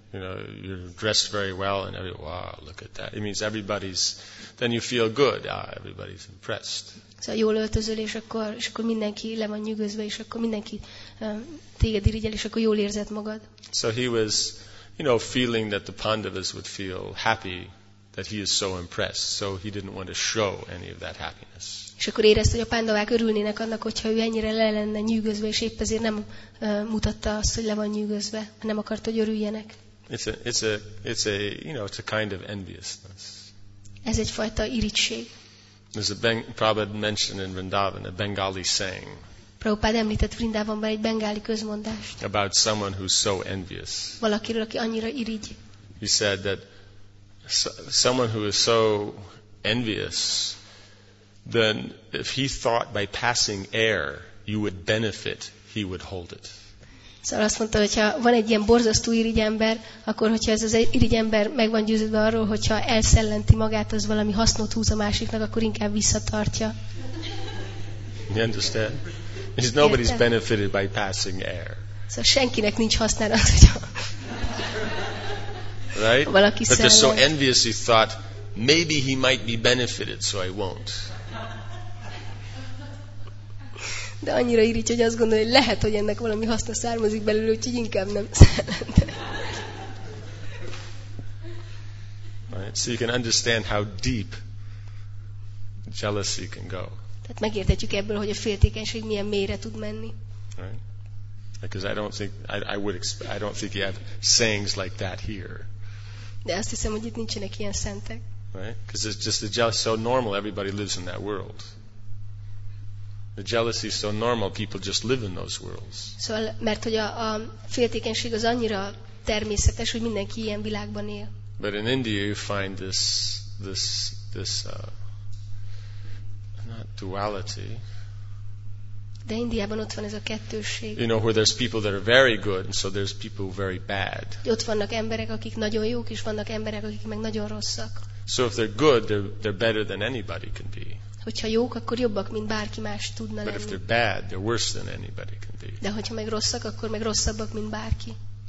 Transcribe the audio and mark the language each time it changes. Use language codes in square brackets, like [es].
[en] You know, you're dressed very well, and wow, look at that. It means everybody's. Then you feel good. Everybody's impressed. [hu] Szóval jól öltözöl, és akkor mindenki le van nyűgözve, és akkor mindenki téged irigyel, és akkor jól érzed magad. [en] So he was, you know, feeling that the Pandavas would feel happy that he is so impressed, so he didn't want to show any of that happiness. [hu] És akkor érezte, hogy a Pandavák örülnének annak, hogyha ő ennyire le lenne nyűgözve, és épp ezért nem mutatta azt, hogy le van nyűgözve, nem akarta, hogy örüljenek. [en] It's a kind of enviousness. [hu] Ez egy fajta irigység. [en] There's a Prabhupada mentioned in Vrindavan, a Bengali saying. [hu] Prabhupád említett Vrindávanban egy bengáli közmondást. [en] About someone who's so envious. [hu] Valakiről, aki annyira irigy. [en] He said that someone who is so envious, then if he thought by passing air you would benefit, he would hold it. [hu] Szóval azt mondta, hogyha van egy ilyen borzasztó irigy ember, akkor hogyha ez az irigy ember meg van győződve arról, hogyha elszellenti magát, az valami hasznot húz a másiknak, akkor inkább visszatartja. [en] You understand? Because nobody's benefited by passing air. [hu] So senkinek nincs hasznára az, hogyha [en] right? [hu] Valaki [en] but they're so envious, he thought, maybe he might be benefited, so I won't. [hu] De annyira irigy, hogy azt gondolja, hogy lehet, hogy ennek valami haszna származik belőle, úgyhogy inkább nem szellentem. [en] Right? So you can understand how deep jealousy can go. [hu] Tehát megértetjük ebből, hogy a féltékenység milyen mélyre tud menni. [en] Right. Because I don't think you have sayings like that here. [hu] De azt hiszem, hogy itt nincsenek ilyen szentek. [en] Right? Because it's just the jealousy so normal, everybody lives in that world. The jealousy is so normal, people just live in those worlds. [hu] Szóval, mert hogy a féltékenység az annyira természetes, hogy mindenki ilyen világban él. [en] But in India you find this not duality. [hu] De Indiában ott van ez a kettősség. [en] You know, where there's people that are very good, and so there's people very bad. [hu] Ott vannak emberek, akik nagyon jók, és vannak emberek, akik meg nagyon rosszak. [en] So if they're good, they're better than anybody can be. [hu] Hogyha jók, akkor jobbak, mint bárki más tudna [en] But [hu] lenni. [en] But if they're bad, they're worse than anybody can be. [hu] De hogyha meg rosszak, akkor meg rosszabbak, mint bárki.